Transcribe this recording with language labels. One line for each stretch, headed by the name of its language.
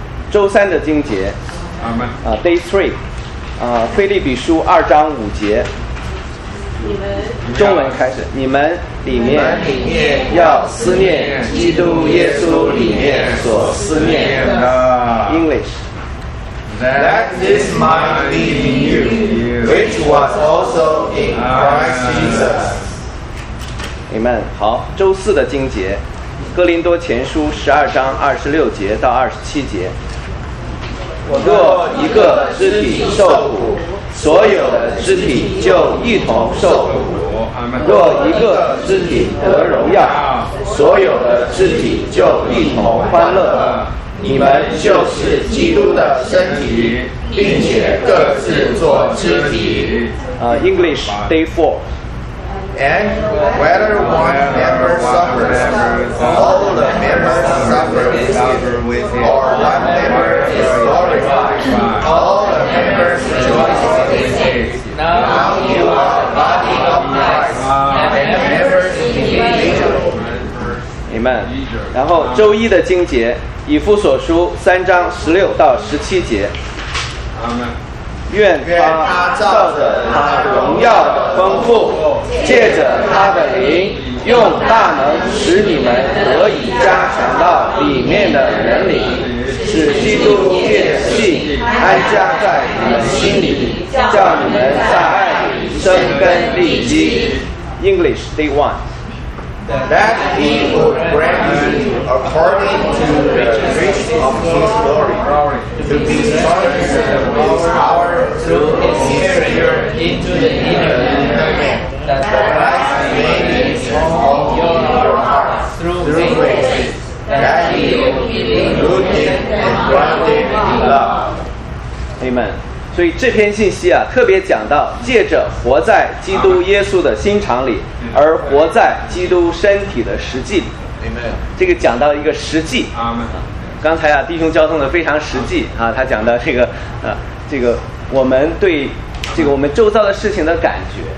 Chinese: 周三的经节。阿们。
English: Day three，
Chinese: 腓立比书二章五节。你们中文开始，你们里面要思念基督耶稣里面所思念的。
English: English。 Let this mind be in you, which was also in Christ Jesus.
Chinese: Amen. 好，周四的经节，哥林多前书十二章二十六节到二十七节。我若一个肢体受苦，所有的肢体就一同受苦；若一个肢体得荣耀，所有的肢体就一同欢乐。你们就是基督的身体，并且各自做肢体。
English: English Day Four. And whether one member suffers, all the members suffer with it, or one member is glorified, all the members rejoice with it. Now you are body of Christ, and members individual. Amen.
Chinese: 然后周一的经节，以弗所书三章十六到十七节。阿门。愿他照着他荣耀的丰富，借着他的灵，用大能使你们得以加强到里面的人里，使基督借信安家在你们心里，叫你们在爱里生根立基。
English: English day one. That he would grant you according to the riches of his glory to be strengthened with power through his spirit into the inner man, that Christ may be strong of your heart through faith, that he will be rooted and grounded in love. Amen.
Chinese: 所以这篇信息啊，特别讲到借着活在基督耶稣的心肠里，而活在基督身体的实际里。 Amen. 这个讲到一个实际。 Amen. 刚才啊，弟兄交通的非常实际啊，他讲到这个啊，这个我们对这个我们周遭的事情的感觉。